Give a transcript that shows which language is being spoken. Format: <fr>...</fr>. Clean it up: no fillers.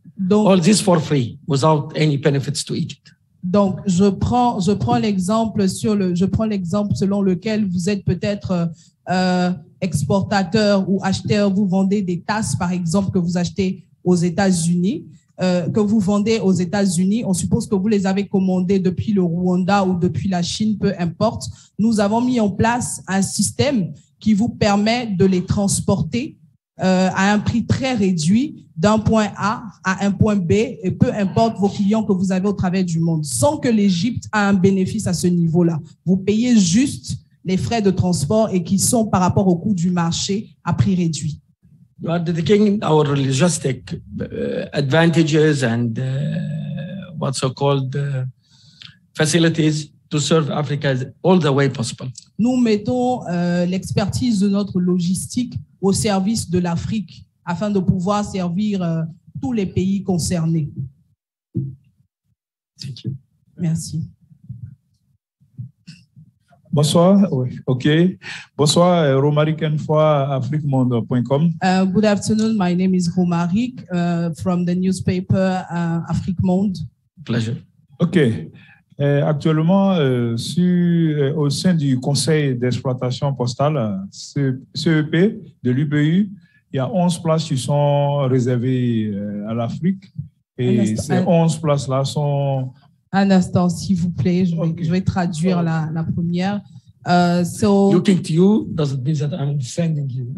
<fr>Donc,</fr> <en>all this for free, without any benefits to Egypt.</en> <fr>Donc, je prends l'exemple selon lequel vous êtes peut-être exportateur ou acheteur, vous vendez des tasses, par exemple, que vous achetez aux États-Unis, que vous vendez aux États-Unis. On suppose que vous les avez commandées depuis le Rwanda ou depuis la Chine, peu importe. Nous avons mis en place un système qui vous permet de les transporter à un prix très réduit d'un point A à un point B et peu importe vos clients que vous avez au travers du monde, sans que l'Égypte ait un bénéfice à ce niveau-là. Vous payez juste les frais de transport et qui sont par rapport au coût du marché à prix réduit.</fr> <en>You are dedicating our logistic advantages and what's so called facilities to serve Africa all the way possible.</en> <fr>Nous mettons l'expertise de notre logistique au service de l'Afrique afin de pouvoir servir tous les pays concernés.</fr> <en>Thank you.</en> <fr>Merci. Bonsoir. Oui. OK. Bonsoir, Romaric Enfoy, AfriqueMonde.com.</fr> <en>Good afternoon. My name is Romaric from the newspaper AfriqueMonde. Pleasure. OK.</en> <fr>Actuellement, au sein du Conseil d'exploitation postale, CEP, de l'UPU, il y a 11 places qui sont réservées à l'Afrique. Et ces 11 places-là sont... Un instant, s'il vous plaît, je vais traduire la première.</fr> <en>Looking to you doesn't mean that I'm sending you.</en>